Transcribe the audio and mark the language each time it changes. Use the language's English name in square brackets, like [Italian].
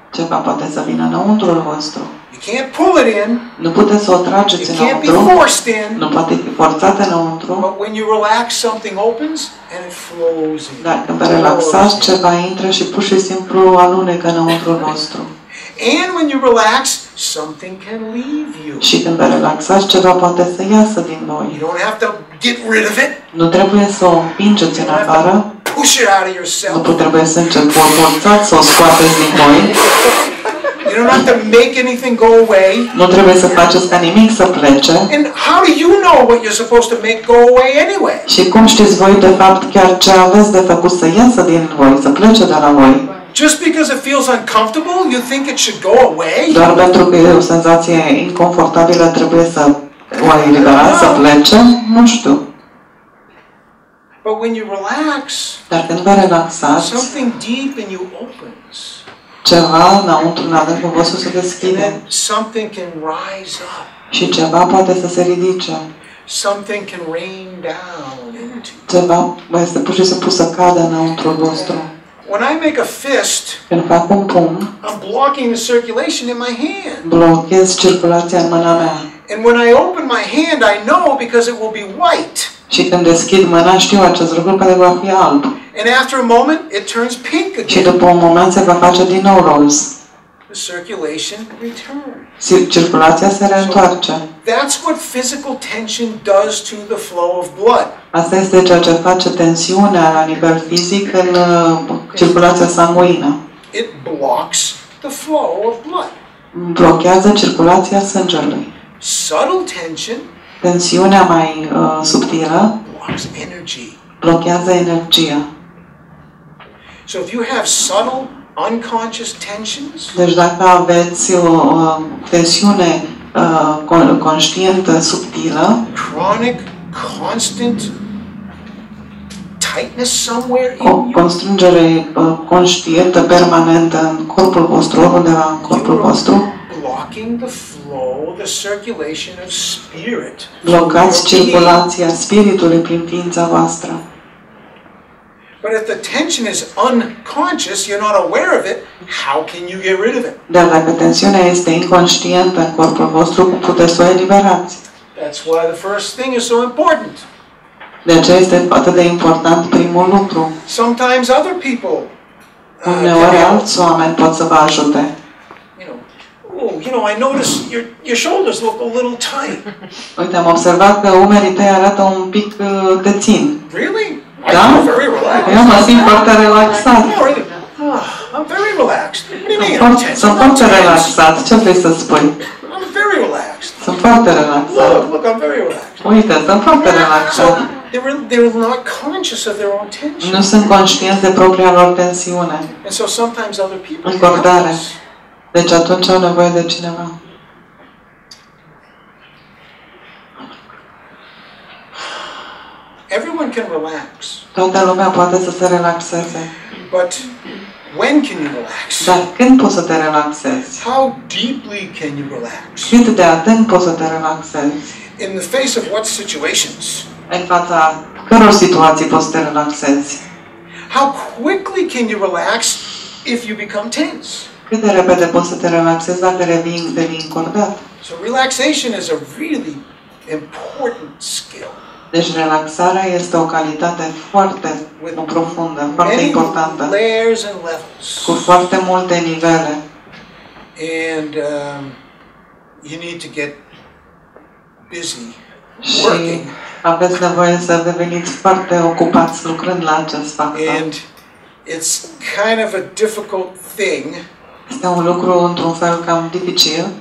[Romanian] Ceva poate să vină înăuntru vostru. [English] You can't pull it in. [Romanian] Nu puteți să o trageți înăuntru. [English] You can't be forced in. [Romanian] Nu poate fi forțat înăuntru. [English] But when you relax, something opens and it flows in. [Romanian] Dacă vă relaxați, ceva intră și pur și simplu alunecă înăuntru vostru. [English] And when you relax, something can leave you. [Romanian] Și când vă relaxați, ceva poate să iasă din voi. [English] You don't have to get rid of it. [Romanian] Nu trebuie să o împingeți în afară. [English] Push it out of yourself. [Romanian] Nu trebuie să începi să forțați să o scoateți din voi. [English] You don't have to make anything go away. [Romanian] Nu trebuie să faceți ca nimic să plece. [English] And how do you know what you're supposed to make go away anyway? [Romanian] Și cum știți voi de fapt chiar ce aveți de făcut să iasă din voi, să plece de la voi? [English] Just because it feels uncomfortable, you think it should go away? [Romanian] Doar pentru că e o senzație inconfortabilă, trebuie să o eliberați, să plece? Nu știu. [English] But when you relax, [Romanian] dar când vă relaxați, [English] something deep in you opens. [Romanian] Ceva înăuntru, în adâncul vostru se deschide. [English] And then something can rise up. [Romanian] Și ceva poate să se ridice. [English] Something can rain down into. [Romanian] Ceva mai este pur și simplu să cadă înăuntru vostru. [English] When I make a fist, [Romanian] când fac un pumn, [English] I'm blocking the circulation in my hand. [Romanian] Blochez circulația în mâna mea. [English] And when I open my hand, I know because it will be white. [Romanian] Și când deschid mâna, știu acest lucru că va fi alb. [English] And after a moment, it turns pink again. [Romanian] Și după un moment se va face din nou roz. [English] The circulation returns. [Romanian] Circulația se reîntoarce. [English] So that's what physical tension does to the flow of blood. [Romanian] Asta este ceea ce face tensiunea la nivel fizic în circulația sanguină. [English] It blocks the flow of blood. [Romanian] Blochează circulația sângelui. [English] Subtle tension. [Romanian] Tensiunea mai subtilă blochează energia. [English] So if you have subtle unconscious tensions, [Romanian] deci dacă aveți o tensiune conștientă subtilă, [English] chronic constant tightness somewhere in [Romanian] you, constrângere conștientă permanentă în corpul vostru, undeva în corpul vostru, [English] blocking the flow, the circulation of spirit. [Romanian] Blocați circulația spiritului prin ființa voastră. [English] But if the tension is unconscious, you're not aware of it, how can you get rid of it? [Romanian] Dar dacă tensiunea este inconștientă în corpul vostru, cum puteți să o eliberați? [English] That's why the first thing is so important. [Romanian] De aceea este atât de important primul lucru. [English] Sometimes other people. [Romanian] Uneori alți oameni pot să vă ajute. [English] Oh, you know, I notice your shoulders look a little tight. [Romanian] Uite, am observat că umerii tăi arată un pic de țin. [English] Really? [Romanian] Da? [English] I'm very relaxed. [Romanian] Eu mă simt foarte relaxat. [English] No, really. I'm very relaxed. What do you mean? [Romanian] Sunt foarte relaxat. Ce vrei să spui? [English] I'm very relaxed. [Romanian] Sunt foarte relaxat. [English] Look, I'm very relaxed. [Romanian] Uite, sunt foarte relaxat. [English] So, they're not conscious of their own tension. [Romanian] Nu sunt conștienți de propria lor tensiune. [English] And so sometimes other people. [Romanian] Încordare. Deci atunci au nevoie de cineva. [English] can relax. [Romanian] Toată lumea poate să se relaxeze. [English] But when can you relax? [Romanian] Dar când poți să te relaxezi? [English] How deeply can you relax? [Romanian] Cât de adânc poți să te relaxezi? [English] In the face of what situations? [Romanian] În fața căror situații poți să te relaxezi? [English] How quickly can you relax if you become tense? [Romanian] Cât de repede poți să te relaxezi dacă devii încordat? [English] So relaxation is a really important skill. [Romanian] Deci relaxarea este o calitate foarte profundă, foarte importantă. [English] Layers and levels. [Romanian] Cu foarte multe nivele. [English] And you need to get busy working. [Romanian] Aveți nevoie să deveniți foarte ocupați lucrând la acest factor. [English] And it's kind of a difficult thing. [Romanian] Este un lucru într-un fel cam dificil.